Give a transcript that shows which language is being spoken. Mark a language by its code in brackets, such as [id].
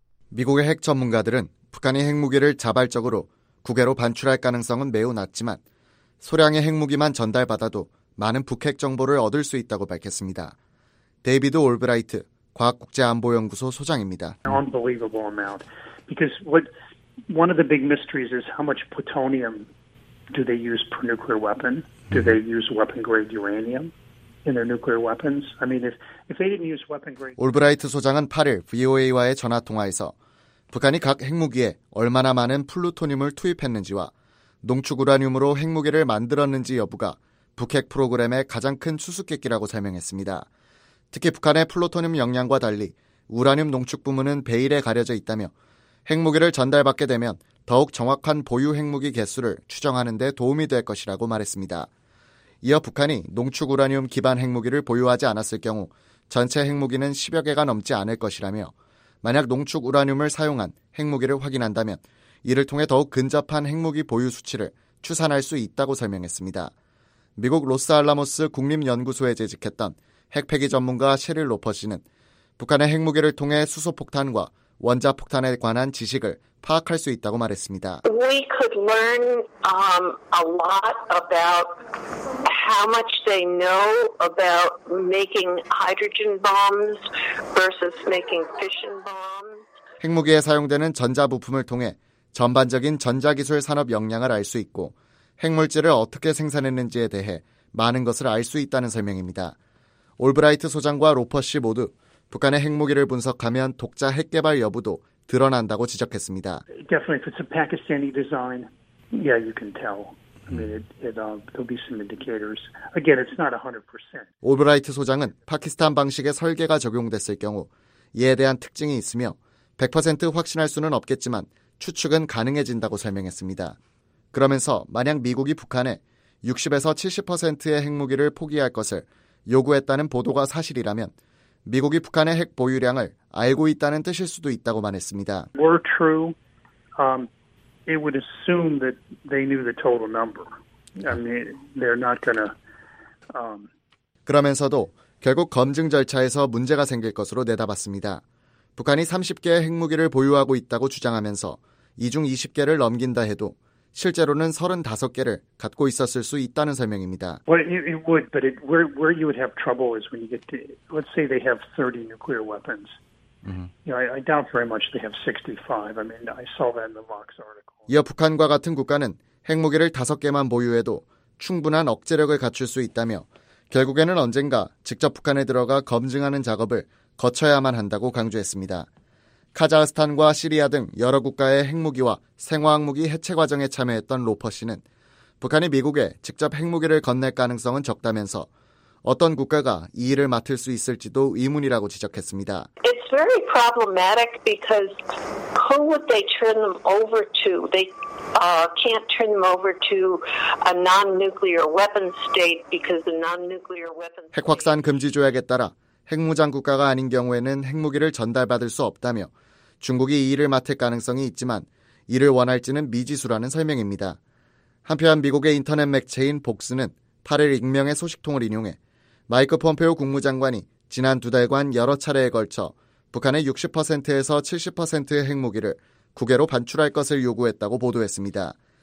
[ko] 미국의 핵 전문가들은 북한이 핵무기를 자발적으로 국외로 반출할 가능성은 매우 낮지만 소량의 핵무기만 전달받아도 많은 북핵 정보를 얻을 수 있다고 밝혔습니다. 데이비드 올브라이트, 과학국제안보연구소 소장입니다. [en] Unbelievable amount. Because what one of the big mysteries is how much plutonium do they use per nuclear weapon? Do they use weapon-grade uranium in their nuclear weapons? I mean, if they didn't use weapon-grade. [ko] 올브라이트 소장은 8일 VOA와의 전화 통화에서 북한이 각 핵무기에 얼마나 많은 플루토늄을 투입했는지와 농축 우라늄으로 핵무기를 만들었는지 여부가 북핵 프로그램의 가장 큰 수수께끼라고 설명했습니다. 특히 북한의 플루토늄 역량과 달리 우라늄 농축 부문은 베일에 가려져 있다며 핵무기를 전달받게 되면 더욱 정확한 보유 핵무기 개수를 추정하는 데 도움이 될 것이라고 말했습니다. 이어 북한이 농축 우라늄 기반 핵무기를 보유하지 않았을 경우 전체 핵무기는 10여 개가 넘지 않을 것이라며 만약 농축 우라늄을 사용한 핵무기를 확인한다면 이를 통해 더욱 근접한 핵무기 보유 수치를 추산할 수 있다고 설명했습니다. 미국 로스알라모스 국립연구소에 재직했던 핵폐기 전문가 셰릴 로퍼 씨는 북한의 핵무기를 통해 수소폭탄과 원자폭탄에 관한 지식을 파악할 수 있다고 말했습니다. [en] We could learn a lot about how much they know about making hydrogen bombs versus making fission bombs. [ko] 핵무기에 사용되는 전자 부품을 통해 전반적인 전자 기술 산업 역량을 알 수 있고 핵물질을 어떻게 생산했는지에 대해 많은 것을 알 수 있다는 설명입니다. 올브라이트 소장과 로퍼 씨 모두 북한의 핵무기를 분석하면 독자 핵 개발 여부도 드러난다고 지적했습니다. [en] Definitely, if it's a Pakistani design, yeah, you can tell. I mean, there'll be some indicators. Again, it's not 100%. [ko] 올브라이트 소장은 파키스탄 방식의 설계가 적용됐을 경우 이에 대한 특징이 있으며 100% 확신할 수는 없겠지만 추측은 가능해진다고 설명했습니다. 그러면서 만약 미국이 북한에 60-70%의 핵무기를 포기할 것을 요구했다는 보도가 사실이라면 미국이 북한의 핵 보유량을 알고 있다는 뜻일 수도 있다고 말했습니다. [en] Were true, it would assume that they knew the total number. I mean, they're not gonna. [ko] 그러면서도 결국 검증 절차에서 문제가 생길 것으로 내다봤습니다. 북한이 30개의 핵무기를 보유하고 있다고 주장하면서 이 중 20개를 넘긴다 해도 실제로는 35개를 갖고 있었을 수 있다는 설명입니다. [en] Well, it would, but it, where you would have trouble is when you get to, let's say they have 30 nuclear weapons. You know, I doubt very much they have 65. I mean, I saw that in the Vox article. [ko] 이어 북한과 같은 국가는 핵무기를 5개만 보유해도 충분한 억제력을 갖출 수 있다며 결국에는 언젠가 직접 북한에 들어가 검증하는 작업을 거쳐야만 한다고 강조했습니다. 카자흐스탄과 시리아 등 여러 국가의 핵무기와 생화학무기 해체 과정에 참여했던 로퍼 씨는 북한이 미국에 직접 핵무기를 건넬 가능성은 적다면서 어떤 국가가 이 일을 맡을 수 있을지도 의문이라고 지적했습니다. [en] It's very problematic because who would they turn them over to? They can't turn them over to a non-nuclear weapons state because the non-nuclear weapons. [ko] 핵 확산 금지 조약에 따라 핵무장 국가가 아닌 경우에는 핵무기를 전달받을 수 없다며 중국이 이 일을 맡을 가능성이 있지만 이를 원할지는 미지수라는 설명입니다. 한편 미국의 인터넷 매체인 복스는 8일 익명의 소식통을 인용해 마이크 폼페오 국무장관이 지난 두 달간 여러 차례에 걸쳐 북한의 60%-70%의 핵무기를 국외로 반출할 것을 요구했다고 보도했습니다.